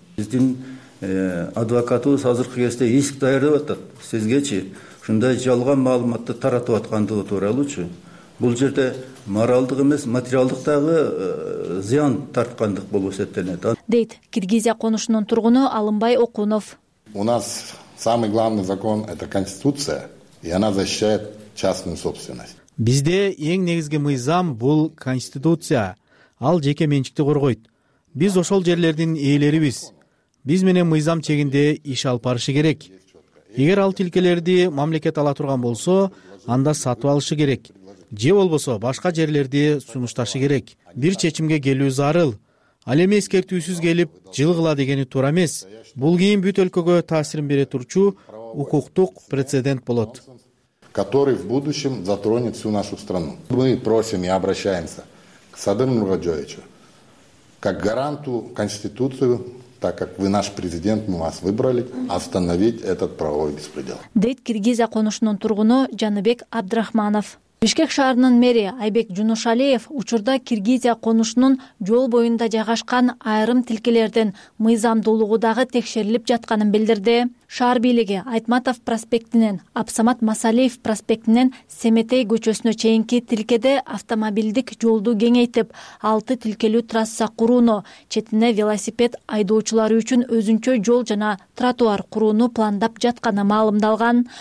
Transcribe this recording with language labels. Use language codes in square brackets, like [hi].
[ky] Биздин адвокатыбыз азыркы кезде иск даярдап атат. Сизгечи ушундай жалган маалыматты таратып аткандыгы тууралуучу. Бул жерде моралдык эмес, материалдык дагы зыян тарткандык болуп эсептелет. Дейт Киргизия конушунун тургуну Алымбай Окунов. [ru] У нас самый главный закон это конституция, и она защищает частную собственность. [ky] Бизде эң негизги мыйзам бул конституция. Ал жеке менчикти коргойт. Биз ошол жерлердин ээлерибиз. Биз менен мыйзам чегинде иш алып барышы керек. Эгер ал тилкелерди мамлекет ала турган болсо, анда сатып алышы керек. Же болбосо башка жерлерди сунушташы керек. Бир чечимге келүү зарыл. Ал эми эскертүүсүз келип, жылгыла дегени туура эмес. Бул кийин бүт өлкөгө таасирин бере турчу укуктук прецедент болот. [ru] Который в будущем затронет всю нашу страну. Мы просим и обращаемся к Садыр Мурадёевичу, как гаранту Конституцию, так как вы наш президент, мы вас выбрали, остановить этот правовой беспредел. [ky] Дейт киргиз аконушунун тургуну Жаныбек Абдрахманов. Бишкек шаарынын мэри Айбек Жунушалиев учурда Киргизия конушунун жол боюнда жайгашкан айрым тилкелердин мыйзамдуулугу дагы текшерилип жатканын билдирди. Шаар бийлиги Айтматов проспектинен Абсамат Масалиев проспектинен Семетей көчөсүнө чейинки тилкеде автомобилдик жолду кеңейтип, 6 тилкелүү трасса курууну, четине велосипед айдоочулары үчүн өзүнчө жол жана тротуар курууну пландап жатканы маалымдалган.